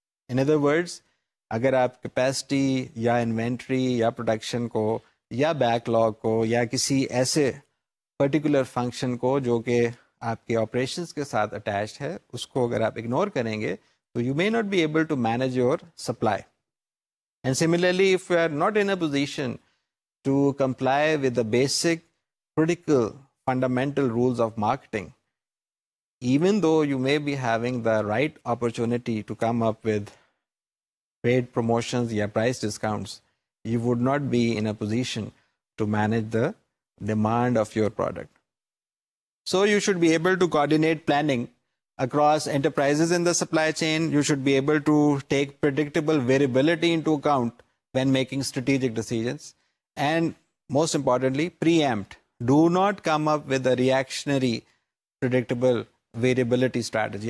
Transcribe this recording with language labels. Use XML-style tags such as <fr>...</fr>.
<en>in other words,</en> <ur>اگر آپ capacity یا انوینٹری یا پروڈکشن کو یا بیک لاگ کو یا کسی ایسے پرٹیکولر فنکشن کو جو کہ آپ کے آپریشنس کے ساتھ اٹیچڈ ہے اس کو اگر آپ اگنور کریں گے تو</ur> <en>You may not be able to manage your supply. And similarly if you are not in a position to comply with the basic critical fundamental rules of marketing even though you may be having the right opportunity to come up with paid promotions یا price discounts, you would not be in a position to manage the demand of your product. So you should be able to coordinate planning across enterprises in the supply chain. You should be able to take predictable variability into account when making strategic decisions. And most importantly, preempt. Do not come up with a reactionary predictable variability strategy.</en>